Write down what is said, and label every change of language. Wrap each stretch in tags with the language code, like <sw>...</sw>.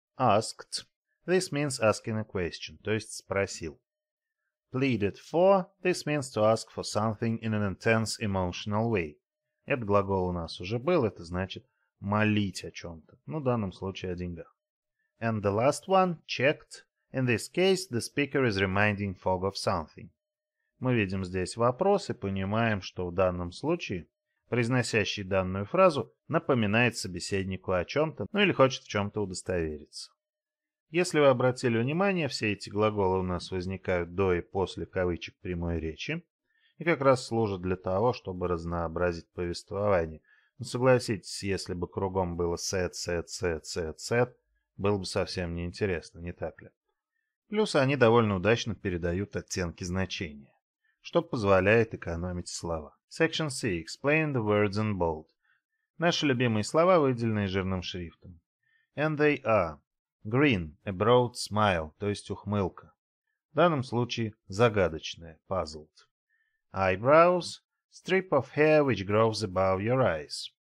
<en>Asked. This means asking a question,</en> <ru>то есть спросил.</ru> <en>Pleaded for. This means to ask for something in an intense emotional way.</en> <ru>Этот глагол у нас уже был, это значит молить о чем-то. Ну, в данном случае о деньгах.</ru> <en>And the last one, checked. In this case, the speaker is reminding Fogg of something.</en> <ru>Мы видим здесь вопрос и понимаем, что в данном случае произносящий данную фразу напоминает собеседнику о чем-то, ну или хочет в чем-то удостовериться. Если вы обратили внимание, все эти глаголы у нас возникают до и после кавычек прямой речи и как раз служат для того, чтобы разнообразить повествование. Но согласитесь, если бы кругом было set, set, set, set, set, было бы совсем неинтересно, не так ли? Плюс они довольно удачно передают оттенки значения, что позволяет экономить слова.</ru> <en>Section C. Explain the words in bold.</en> <ru>Наши любимые слова, выделенные жирным шрифтом.</ru> <en>And they are. Green. A broad smile.</en> <ru>То есть ухмылка. В данном случае загадочная.</ru> <en>Puzzled. Eyebrows. Strip of hair which grows above your eyes.</en>